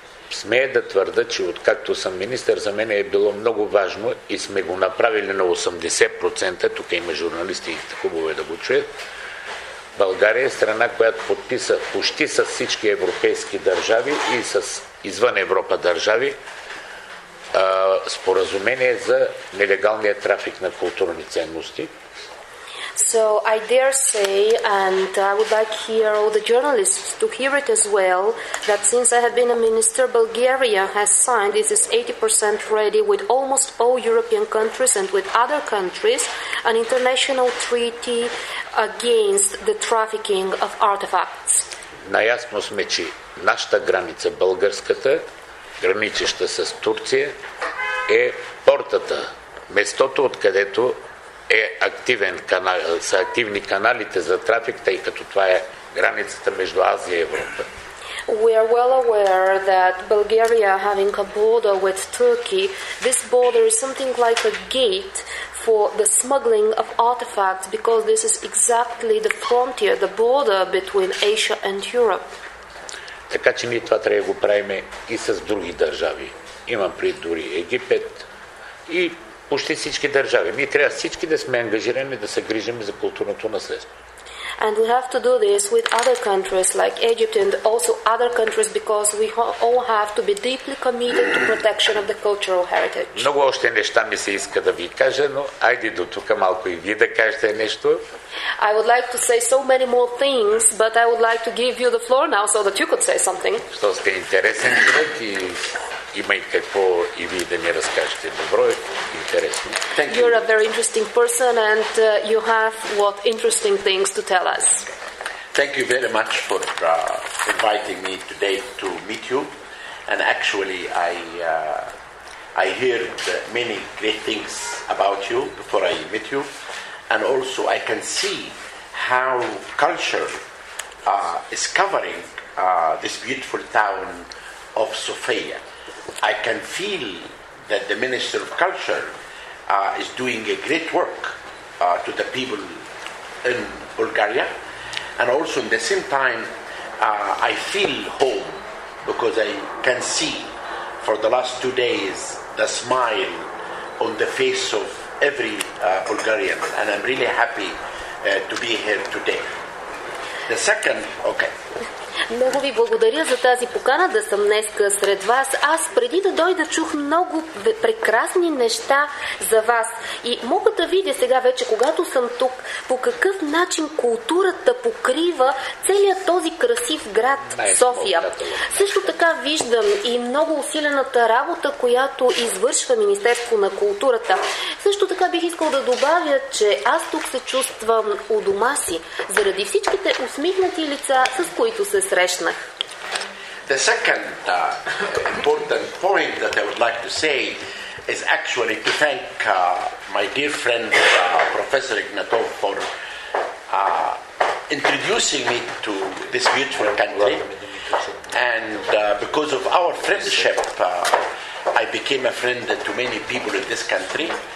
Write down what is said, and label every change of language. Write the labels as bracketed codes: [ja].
[bg] Смея да твърда, че откакто съм министър, за мен е било много важно и сме го направили на 80%. Тук има журналисти и хубаво е да го чуят. България е страна, която подписа почти с всички европейски държави и с извън Европа държави споразумение за нелегалния трафик на културни ценности. [en] So I dare say, and I would like here all the journalists to hear it as well, that since I have been a minister, Bulgaria has signed, this is 80% ready, with almost all European countries and with other countries, an international treaty against the trafficking of artifacts. [bg] Наясно сме, че нашата граница, българската, граничеща с Турция, е портата, местото, откъдето е активен канал, са активни каналите за трафик, тъй като това е границата между Азия и Европа. [en] We are well aware that Bulgaria having a border with Turkey, this border is something like a gate for the smuggling of artifacts because this is exactly the frontier, the border between Asia and Europe. [bg] Така че ние това трябва да го правим и с други държави. Имам пред дори Египет и почти всички държави. Ние трябва всички да сме ангажирани да се грижим за културното наследство. [en] And we have to do this with other countries like Egypt and also other countries because we all have to be deeply committed to protection of the cultural heritage. [bg] Много още неща ми се иска да ви кажа, но айде до тук малко и вие да кажете нещо. [en] I would like to say so many more things, but I would like to give you the floor now so that you could say something. [bg] Що сте интересен човек и има и какво и вие да ми разкажете. Добро е, интересно. [en] Thank you. You're a very interesting person and you have what interesting things to tell us. Thank you very much for inviting me today to meet you. And actually I heard many great things about you before I met you. And also I can see how culture is covering this beautiful town of Sofia. I can feel that the Minister of Culture is doing a great work to the people in Bulgaria. And also in the same time, I feel home because I can see for the last 2 days the smile on the face of every Bulgarian. And I'm really happy to be here today. The second, okay. [bg] Много ви благодаря за тази покана да съм днеска сред вас. Аз преди да дойда чух много прекрасни неща за вас и мога да видя сега вече, когато съм тук, по какъв начин културата покрива целият този красив град София. Също така виждам и много усилената работа, която извършва Министерство на културата. Също така бих искал да добавя, че аз тук се чувствам у дома си, заради всичките усмихнати лица, с които се срещнах. [en] The second important point that I would like to say is actually to thank my dear friend Professor Ignatov for introducing me to this beautiful country. And because of our friendship, I became a friend to many people in this country.